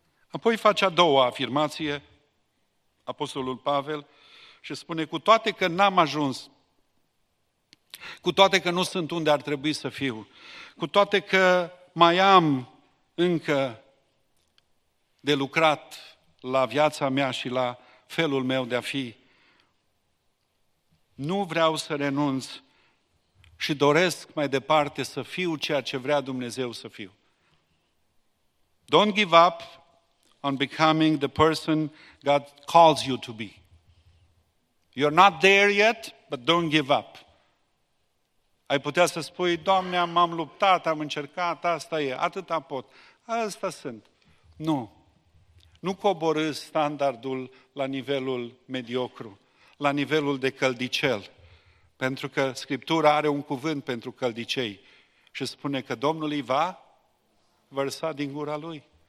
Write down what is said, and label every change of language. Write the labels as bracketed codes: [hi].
[ro] Apoi face a doua afirmație, Apostolul Pavel, și spune, cu toate că n-am ajuns, cu toate că nu sunt unde ar trebui să fiu, cu toate că mai am încă de lucrat la viața mea și la felul meu de a fi. Nu vreau să renunț și doresc mai departe să fiu ceea ce vrea Dumnezeu să fiu. [en] Don't give up on becoming the person God calls you to be. You're not there yet, but don't give up. [ro] Ai putea să spui, Doamne, m-am luptat, am încercat, asta e, atâta pot, asta sunt. Nu. Nu coborâți standardul la nivelul mediocru, la nivelul de căldicel, pentru că Scriptura are un cuvânt pentru căldicei și spune că Domnul îi va vărsa din gura lui.